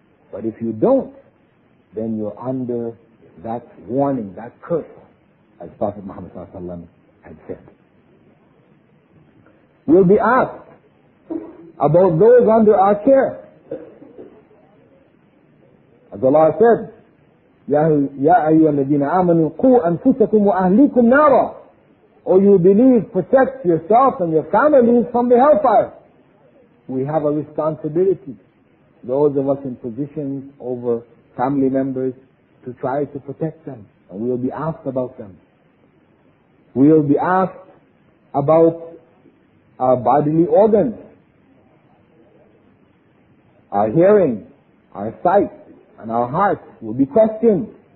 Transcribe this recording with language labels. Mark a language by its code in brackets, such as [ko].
[en] But if you don't, then you're under that warning, that curse, as Prophet Muhammad ﷺ had said. We'll be asked about those under our care. As Allah said, [ar] يا أيها الذين آمنوا قوا أنفسكم وأهليكم نارا [en] or you believe protects yourself and your family from the hellfire. We have a responsibility, those of us in positions over family members, to try to protect them. And we will be asked about them. We will be asked about our bodily organs, our hearing, our sight, and our heart will be questioned.